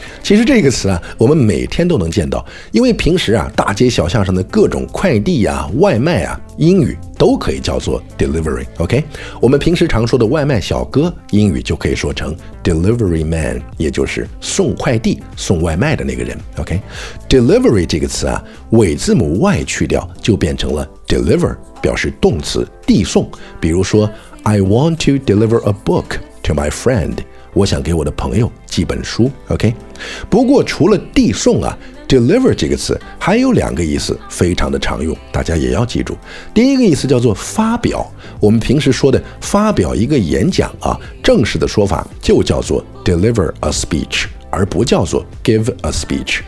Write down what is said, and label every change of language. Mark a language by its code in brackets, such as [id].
[zh] 其实这个词啊，我们每天都能见到，因为平时啊，大街小巷上的各种快递啊、外卖啊，英语都可以叫做 delivery。 OK， 我们平时常说的外卖小哥，英语就可以说成 delivery man， 也就是送快递、送外卖的那个人。 OK， delivery 这个词啊，尾字母 y 去掉就变成了 deliver， 表示动词，递送。比如说 [en] I want to deliver a book to my friend， [zh] 我想给我的朋友寄本书。 OK， 不过除了递送啊， deliver 这个词还有两个意思非常的常用，大家也要记住。第一个意思叫做发表，我们平时说的发表一个演讲啊，正式的说法就叫做 deliver a speech，而不叫做 give a speech。